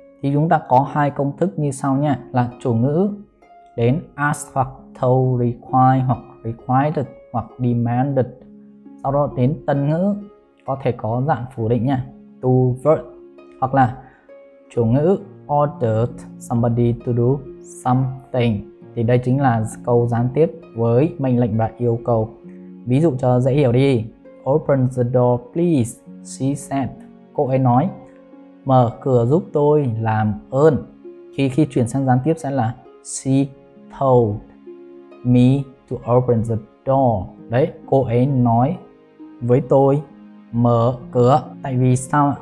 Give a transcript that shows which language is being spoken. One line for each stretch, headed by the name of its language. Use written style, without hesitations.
Vietnamese: Thì chúng ta có hai công thức như sau nha. Là chủ ngữ đến ask hoặc told, require hoặc required hoặc demanded. Sau đó đến tân ngữ có thể có dạng phủ định nha, to verb. Hoặc là chủ ngữ
English: ordered somebody to do something.
Vietnamese: Thì đây chính là câu gián tiếp với mệnh lệnh và yêu cầu. Ví dụ cho dễ hiểu đi.
English: Open the door please, she said.
Vietnamese: Cô ấy nói, mở cửa giúp tôi làm ơn. Khi chuyển sang gián tiếp sẽ là
English: she told me to open the door.
Vietnamese: Đấy, cô ấy nói với tôi mở cửa. Tại vì sao ạ?